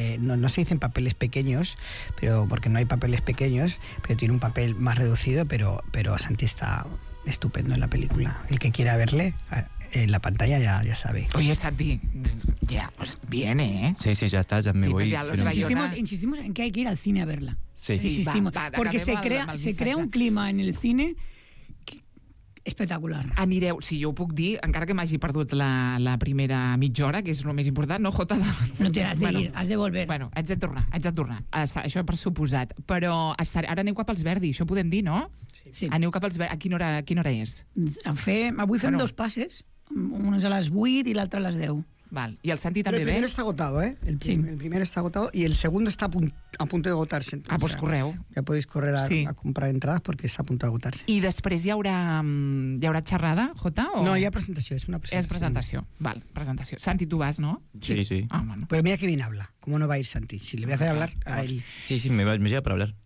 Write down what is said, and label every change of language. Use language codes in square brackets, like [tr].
[es] no se dicen papeles pequeños, pero porque no hay papeles pequeños, pero tiene un papel más reducido, pero Santi está estupendo en la película. El que quiera verle en la pantalla ya sabe. Oye, Santi, ya pues viene, ¿eh? Sí, sí, ya está, ya me voy. Ya pero... insistimos en que hay que ir al cine a verla. Sí. Insistimos. Va, porque se crea un clima en el cine... espectacular. [ca] Anireu, si jo ho puc dir, encara que m'hagi perdut la primera mitja hora, que és el més important, no, Jota? No t'hi has d'ir, [es] has de volver. [ca] Bueno, haig de tornar. Això per suposat. Però ara aneu cap als Verdi, això podem dir, no? Sí. Aneu cap als Verdi. A quina hora és? Avui fem dos passes, unes a les 8 i l'altra a les 10. Val. I el Santi també ve? [es] El primer està agotado, ¿eh? [ca] El primer està agotado i el segon està [es] a punto de [ca] agotar-se. Ah, pues correu. Ja podeu correr a comprar entrades perquè està a punt d'agotar-se. I després hi haurà xerrada, Jota? O... No, hi ha presentació, és una presentació. És presentació, val, presentació. Santi, tu vas, no? Sí, sí. Ah, bueno. [es] Però mira que bien habla, com no va a ir Santi. Si le voy a hacer hablar a él. Sí, sí, me lleva para hablar.